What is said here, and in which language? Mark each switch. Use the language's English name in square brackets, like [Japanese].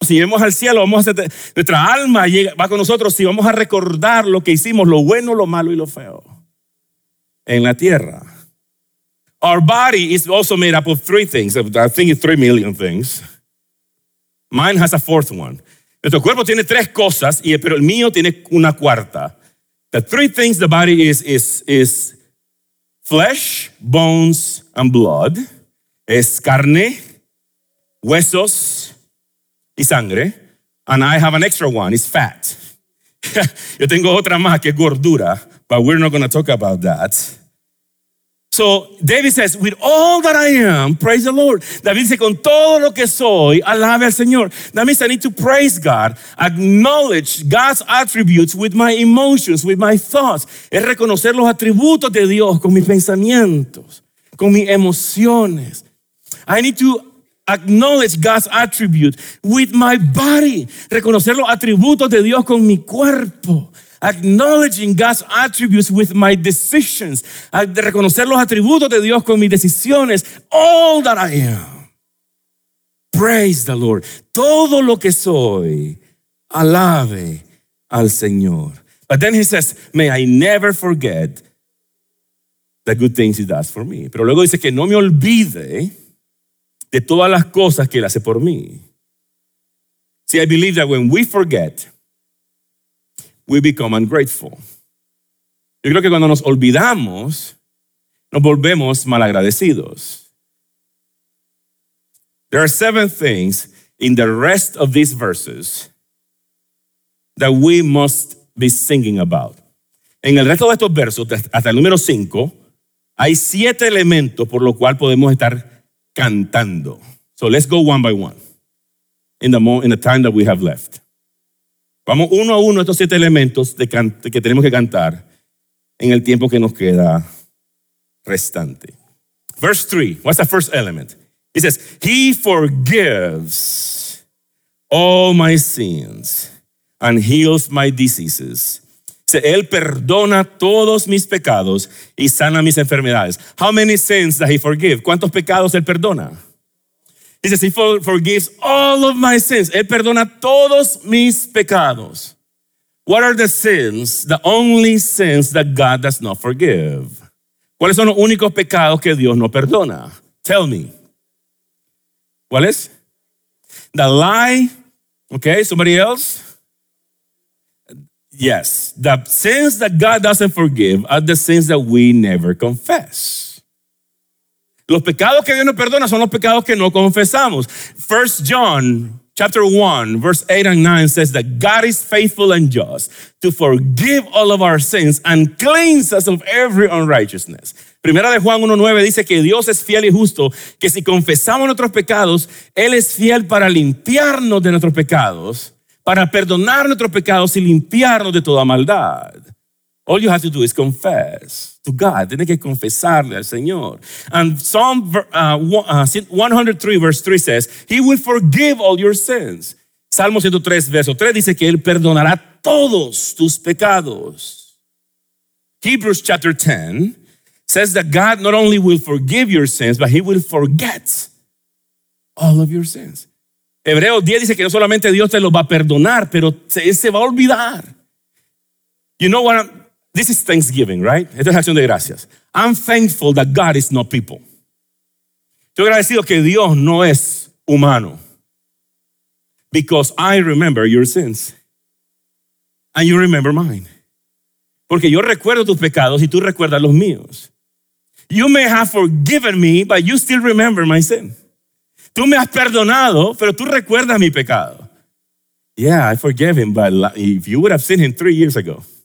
[Spanish] si vamos al cielo, vamos a hacer, nuestra alma llega, va con nosotros, si vamos a recordar lo que hicimos, lo bueno, lo malo y lo feo en la tierra. [English] Our body is also made up of three things. I think it's 3 million things. Mine has a fourth one. [Spanish] Nuestro cuerpo tiene tres cosas, pero el mío tiene una cuarta. [English] The three things the body is flesh, bones, and blood. [Spanish] Es carne, huesos y sangre. [English] And I have an extra one. It's fat. [Spanish] Yo tengo otra más que es gordura, [English] but we're not going to talk about that. So David says, with all that I am, praise the Lord. [Spanish] David dice, con todo lo que soy, alabe al Señor. [English] That means I need to praise God, acknowledge God's attributes with my emotions, with my thoughts. [Spanish] Es reconocer los atributos de Dios con mis pensamientos, con mis emociones. [English] I need to acknowledge God's attribute with my body. [Spanish] Reconocer los atributos de Dios con mi cuerpo. [English] Acknowledging God's attributes with my decisions. [Spanish] De reconocer los atributos de Dios con mis decisiones. [English] All that I am. Praise the Lord. [Spanish] Todo lo que soy, alabe al Señor. [English] But then he says, may I never forget the good things he does for me. [Spanish] Pero luego dice que no me olvide de todas las cosas que él hace por mí. [English] See, I believe that when we forget, we become ungrateful. [Spanish] Yo creo que cuando nos olvidamos, nos volvemos malagradecidos. [English] There are seven things in the rest of these verses that we must be singing about. [Spanish] En el resto de estos versos, hasta el número 5, hay 7 elementos por los cuales podemos estar cantando. [English] So let's go one by one in the time that we have left. [Spanish] Vamos uno a uno estos 7 elementos que tenemos que cantar en el tiempo que nos queda restante. [English] Verse 3, what's the first element? It says, he forgives all my sins and heals my diseases. [Spanish] Dice, él perdona todos mis pecados y sana mis enfermedades. [English] How many sins does he forgive? [Spanish] ¿Cuántos pecados él perdona? [English] He says, he forgives all of my sins. [Spanish] Él perdona todos mis pecados. [English] What are the sins? The only sins that God does not forgive. [Spanish] ¿Cuáles son los únicos pecados que Dios no perdona? [English] Tell me. [Spanish] ¿Cuál es? [English] The lie. Okay, somebody else. Yes. The sins that God doesn't forgive are the sins that we never confess. [Spanish] Los pecados que Dios nos perdona son los pecados que no confesamos. [English] 1 John chapter 1, verse 8 and 9 says that God is faithful and just to forgive all of our sins and cleanse us of every unrighteousness. [Spanish] Primera de Juan 1:9 dice que Dios es fiel y justo, que si confesamos nuestros pecados, Él es fiel para limpiarnos de nuestros pecados, para perdonar nuestros pecados y limpiarnos de toda maldad. [English] All you have to do is confess to God. [Spanish] Tiene que confesarle al Señor. [English] And Psalm 103 verse 3 says, he will forgive all your sins. [Spanish] Salmo 103 verse 3 dice que él perdonará todos tus pecados. [English] Hebrews chapter 10 says that God not only will forgive your sins, but he will forget all of your sins. [Spanish] Hebreo 10 dice que no solamente Dios te lo va a perdonar, pero él se va a olvidar. [English] You know what this is Thanksgiving, right? [Spanish] Esto es Acción de Gracias. [English] I'm thankful that God is not people. [Spanish] Estoy agradecido que Dios no es humano. [English] Because I remember your sins. And you remember mine. [Spanish] Porque yo recuerdo tus pecados y tú recuerdas los míos. [English] You may have forgiven me, but you still remember my sin. [Spanish] Tú me has perdonado, pero tú recuerdas mi pecado. [English] Yeah, I forgave him, but if you would have seen him 3 years ago.